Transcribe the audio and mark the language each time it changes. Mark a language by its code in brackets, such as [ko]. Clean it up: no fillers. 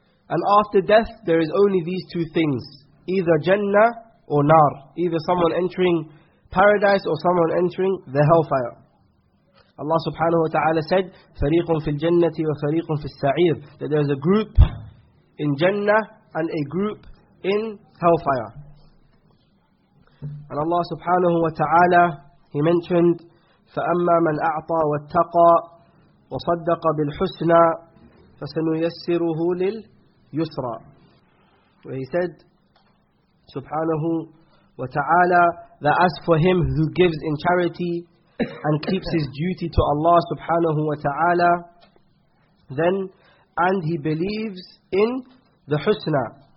[en] And after death, there is only these two things, either Jannah or Nar, either someone entering paradise or someone entering the hellfire. Allah subhanahu wa ta'ala said, [ar] فَرِيقٌ فِي الْجَنَّةِ وَفَرِيقٌ فِي السَّعِيرِ, [en] that there is a group in Jannah and a group in hellfire. [ar] And Allah subhanahu wa ta'ala, He mentioned, فَأَمَّا مَنْ أَعْطَى وَاتَّقَى وَصَدَّقَ بِالْحُسْنَى فَسَنُيَسِّرُهُ لِلْيُسْرَى. [en] Where He said, subhanahu wa ta'ala, that as for him who gives in charity and keeps his duty to Allah subhanahu wa ta'ala, then, and he believes in the husna.